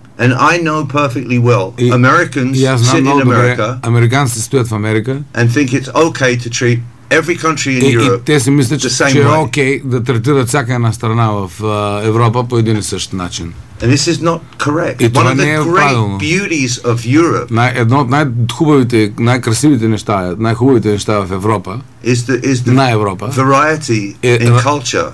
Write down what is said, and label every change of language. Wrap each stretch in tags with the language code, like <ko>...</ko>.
<en>And I know perfectly well Americans</en> <bg>и аз знам много добре, американците стоят в Америка</bg> <en>and think it's okay to treat every country in Europe.</en> <bg>И те си мислят, че е окей да третират всяка една страна в Европа по един и същ начин.</bg> <en>And this is not correct. One of the great beauties of Europe.</en> <bg>Едно от най-хубавите, най-красивите неща, най-хубавите неща в Европа</bg> <en>is the variety in culture.</en>